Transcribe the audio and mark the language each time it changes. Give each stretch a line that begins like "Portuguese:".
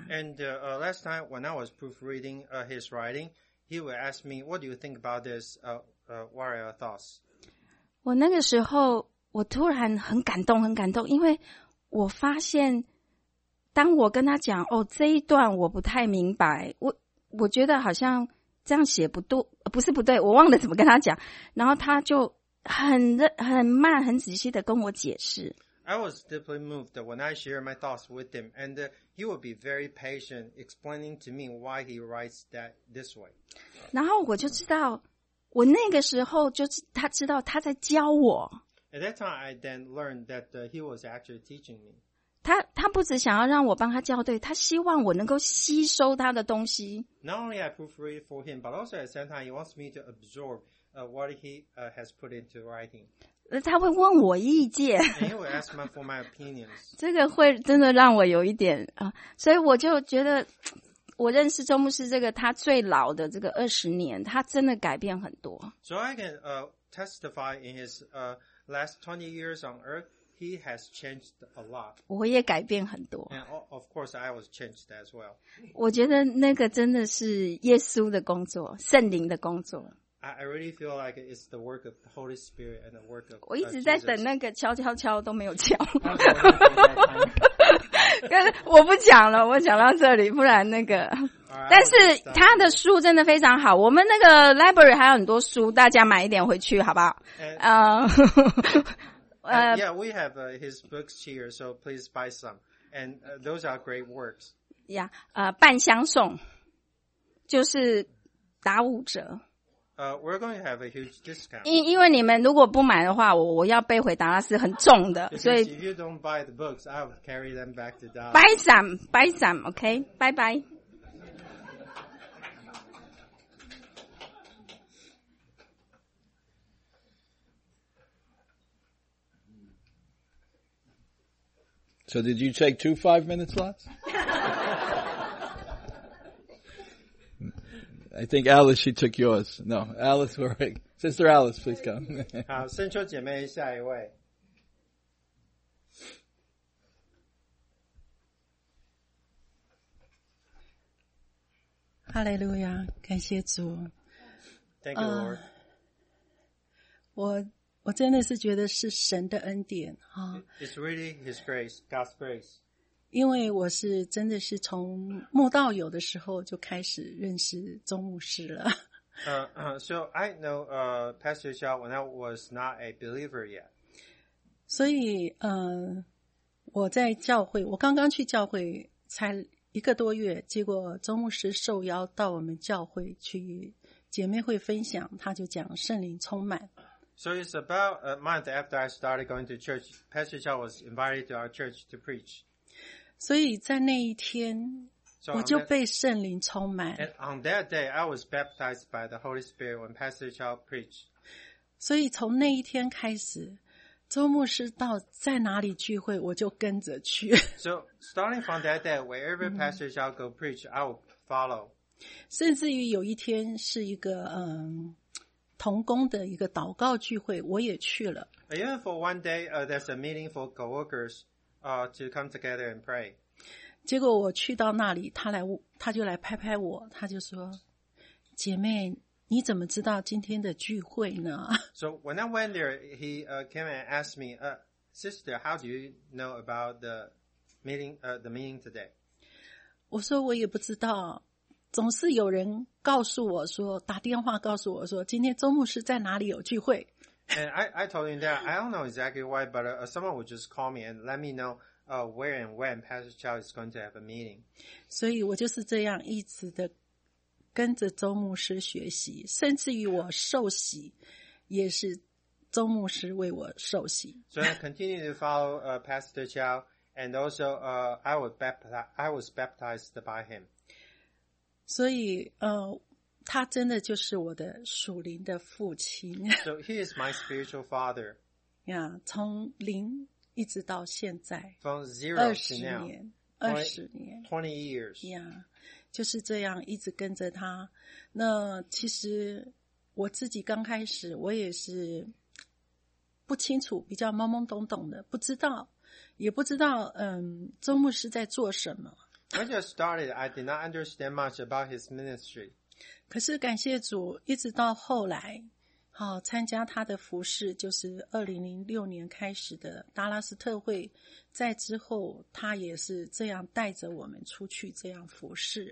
English: ？And last time when I was proofreading his writing, he would ask me, "What do you think about this? What are your thoughts?"
Chinese: 我那个时候，我突然很感动，很感动，因为我发现，当我跟他讲，哦，这一段我不太明白，我觉得好像这样写不对，不是不对，我忘了怎么跟他讲，然后他就很慢、很仔细的跟我解释。
English: I was deeply moved when I shared my thoughts with him, and he would be very patient explaining to me why he writes that this way.
Chinese: 然后我就知道，我那个时候就是他知道他在教我。
English: At that time, I then learned that he was actually teaching me.
Chinese: 他不只想要让我帮他校对，他希望我能够吸收他的东西。
English: Not only I proofread for him, but also at the same time, he wants me to absorb what he has put into writing.
Chinese: 他会问我意见。
English: He will ask me for my opinions.
Chinese: 这个会真的让我有一点啊，所以我就觉得，我认识周牧师这个他最老的这个二十年，他真的改变很多。
English: So I can testify in his last 20 years on earth. He has changed a lot.
Chinese: 我也改变很多。
English: And of course, I was changed as well.
Chinese: 我觉得那个真的是耶稣的工作，圣灵的工作。
English: I really feel like it's the work of the Holy Spirit and the work of.
Chinese: 我一直在等那个敲敲敲都没有敲。但是我不讲了，我讲到这里，不然那个。但是他的书真的非常好，我们那个 library 还有很多书，大家买一点回去好不好？
English: Yeah, we have his books here, so please buy some. And those are great works. Yeah,
Chinese: 半箱送就是打五折。
English: We're going to have a huge discount.
Chinese: 因为你们如果不买的话，我要背回达拉斯很重的，所以
English: if you don't buy the books, I'll carry them back to Dallas. Buy some, okay? Bye bye. So did you take 2 5-minute slots? I think Alice, she took yours. No, Alice, where are you? Sister Alice, please come.
Chinese: 好，圣秋姐妹，下一位。哈利路亚，感谢主。
English: Thank you, Lord.
Chinese: 我真的是觉得是神的恩典啊
English: ！It's really His grace, God's grace.
Chinese: 因为我是真的是从慕道友的时候就开始认识周牧师了。
English: So I know Pastor Xiao when I was not a believer yet.
Chinese: 所以我在教会，我刚刚去教会才一个多月，结果周牧师受邀到我们教会去姐妹会分享，他就讲圣灵充满。
English: So it's about a month after I started going to church, Pastor Chao was invited to our church to preach.
Chinese: 所以在那一天
English: so
Chinese: 我就被圣灵充满。
English: And on that day, I was baptized by the Holy Spirit when Pastor Chao preached.
Chinese: 所以从那一天开始周牧师到在哪里聚会我就跟着去。
English: So starting from that day, wherever Pastor Chao go preach, I will follow.
Chinese: 甚至于有一天是一个同工的一个祷告聚会我也去了。
English: Even for one day, there's a meeting for co-workers, to come together and pray.
Chinese: 结果我去到那里他就来拍拍我他就说姐妹你怎么知道今天的聚会呢
English: So when I went there, he came and asked me, sister, how do you know about the meeting today?
Chinese: 我说我也不知道。总是有人告诉我说打电话告诉我说今天周牧师在哪里有聚会。
English: And I told him that I don't know exactly why, but someone would just call me and let me know where and when Pastor Chao is going to have a meeting.
Chinese: 所以我就是这样一直的跟着周牧师学习，甚至于我受洗也是周牧师为我受洗。
English: So I continue to follow Pastor Chao, and also I was baptized by him.
Chinese: 所以他真的就是我的属灵的父亲。
English: So he is my spiritual father. Yeah,
Chinese: 从零一直到现在。
English: From zero to now. 20 years. Yeah,
Chinese: 就是这样一直跟着他。那其实我自己刚开始我也是不清楚比较懵懵懂懂的不知道也不知道周牧师在做什么。
English: When I just started, I did not understand much about his ministry.
Chinese: 可是感谢主，一直到后来，好参加他的服事，就是2006年开始的达拉斯特会。在之后，他也是这样带着我们出去这样服事。